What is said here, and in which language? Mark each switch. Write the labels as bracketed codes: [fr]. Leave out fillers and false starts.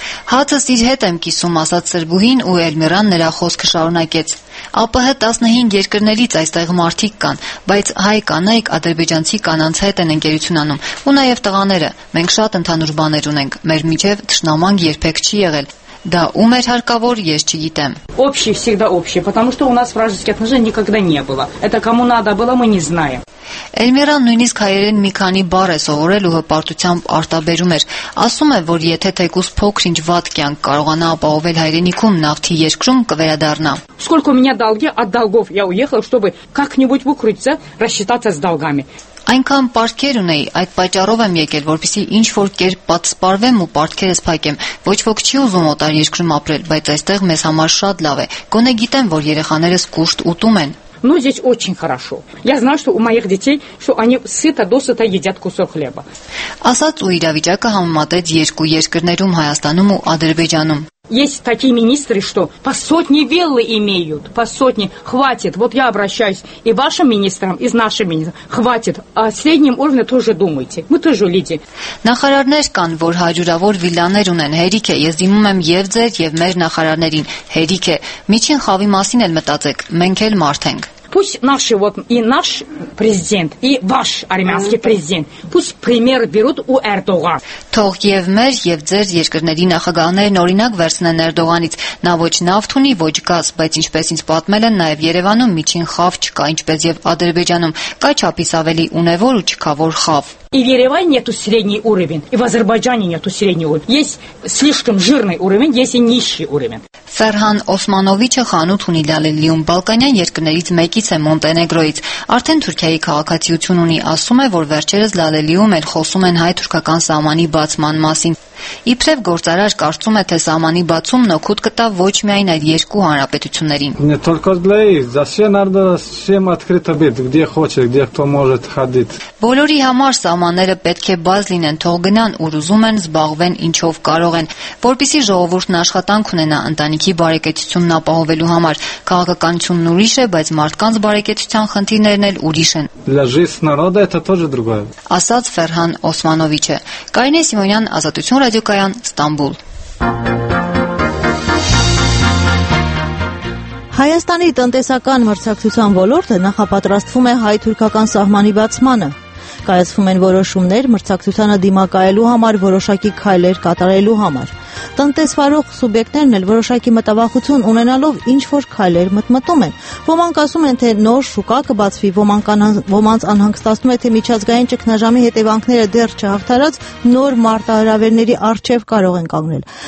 [hy] Հացս իր հետ եմ կիսում, ասաց սրբուհին ու Էլմիրան նրա խոսքը շարունակեց։ ԱՊՀ 15 երկրներից այստեղ մարդիկ կան, բայց հայ կանայք ադրբեջանցի կանանց հետ են ընկերություն անում, ու նաև տղաները։ Մենք շատ ընդհանուր բաներ ունենք, մեր միջև թշնամանք երբեք չի եղել։ [ru] Да, у меня харковор, [hy] ես չգիտեմ. [ru] Общий всегда общий, потому что у нас вражеских отношений никогда не было. Это кому надо было, мы не знаем. [hy] Էլմիրան նույնիսկ հայերեն մի քանի բառ է սովորել ու հպարտությամբ արտաբերում էր։ Ասում է, որ եթե թեկուս փոքրինչ վատ կյանք կարողանա ապահովել հայրենիքում, նավթի երկրում կվերադառնա։ [ru] Сколько у меня долги от долгов я уехала, чтобы как-нибудь выкрутиться, рассчитаться с долгами. [hy] Այնքան պարտքեր ունեի, այդ պատճառով եմ եկել, որպեսզի ինչ որ կեր պատսպարվեմ ու պարտքերս փակեմ։ Ոչ ոք չի ուզում օտար երկրում ապրել, բայց այստեղ մեզ համար շատ լավ է։ Գոնե գիտեմ, որ երեխաներս կուշտ ուտում են։ [ru] Ну здесь очень хорошо. Я знаю, что у моих детей, что они сыто досыта едят кусок хлеба. [hy] Ասած ու իրավիճակը համեմատեց երկու երկրներում, Հայաստանում ու Ադրբեջանում։ [ru] Есть такие министры, что по сотни виллы имеют, по сотни. Хватит, вот я обращаюсь и вашим министрам, и нашим министрам. Хватит, о среднем уровне тоже думайте. Мы тоже люди. [hy] Նախարարներ կան, որ հարյուրավոր վիլաներ ունեն, հերիք է, ես դիմում եմ և ձեր, և մեր նախարարներին, հերիք է, միջին խավի մասին էլ մտածեք, մենք էլ մարդ ենք. [ru] Пусть наши, вот и наш президент, и ваш армянский президент, пусть пример берут у Эрдогана. [hy] Թող եւ մեր եւ ձեր երկրների նախագահներն օրինակ վերցնեն Էրդողանից, նա ոչ նավթ ունի, ոչ գազ, բայց ինչպես ինձ պատմել են, նաեւ Երևանում միջին խավ չկա, ինչպես եւ Ադրբեջանում, կա չափից ավելի ունևոր ու չքավոր խավ։ [ru] И в Ереване нету средний уровень, и в Азербайджане нету средний уровень. Есть слишком жирный уровень, есть и нищий уровень. [hy] Ферхан Османович ханут ունի Լալելիում, Բալկանյան երկրներից մեկից է, Մոնտենեգրոից։ Արդեն Թուրքիայի քաղաքացիություն ունի, ասում է, որ վերջերս Լալելիում էլ խոսում են հայ-թուրքական սահմանի բացման մասին։ Իբրև գործարար կարծում է, թե սահմանի բացումն օգուտ կտա ոչ միայն այդ երկու հանրապետություններին։ [ru] Не только для их, за все надо всем открыто быть, где хочет, где кто может ходить. [hy] Բոլորի համար սահմանները պետք է բաց լինեն, թող գնան, ուր ուզում են, զբաղվեն, ինչով կարող են, որպեսզի ժողովուրդն աշխատանք ունենա ընտանիքի բարեկեցությունն ապահովելու համար։ Քաղաքականությունն ուրիշ է, բայց մարդկանց բարեկեցության խնդիրներն էլ ուրիշ են։ [ru] Для жизни народа это тоже другое. [hy] Ասաց Ферхан Османовичը։ Կարինե Սիմոնյան, Ազատություն ռադիոկայան, Ստամբուլ։ Հայաստանի տնտեսական մրցակցության ոլորտը նախապատրաստվում է հայ-թուրքական սահմանի բացմանը։ Կայացվում են որոշումներ մրցակցությանը դիմակայելու համար, որոշակի քայլեր կատարելու համար։ Տնտեսվարող սուբյեկտներն էլ որոշակի մտավախություն ունենալով ինչ-որ քայլեր մտմտում են։ Ոմանք ասում են, թե նոր շուկա կբացվի, ոմանց անհանգստացնում է, թե միջազգային ճգնաժամի հետևանքները դեռ չհաղթարած նոր մարտահրավերների առջև կարող են կանգնել։